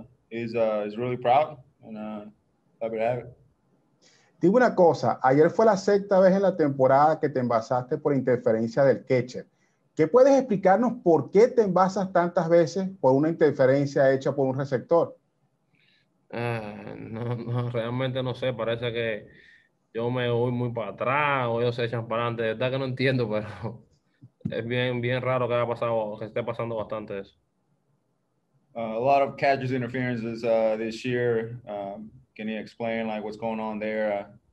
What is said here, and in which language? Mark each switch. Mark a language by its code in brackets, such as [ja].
[en] Is really proud and happy to have it. [es] Dime una cosa, ayer fue la sexta vez en la temporada que te envasaste por interferencia del catcher. ¿Qué puedes explicarnos por qué te envasas tantas veces por una interferencia hecha por un receptor? No, realmente no sé, parece que yo me voy muy para atrás o ellos se echan para adelante. De verdad que no entiendo, pero es bien, bien raro que haya pasado, que esté pasando bastante eso. [en] A lot of catcher's interferences this year. Can he explain like what's going on there?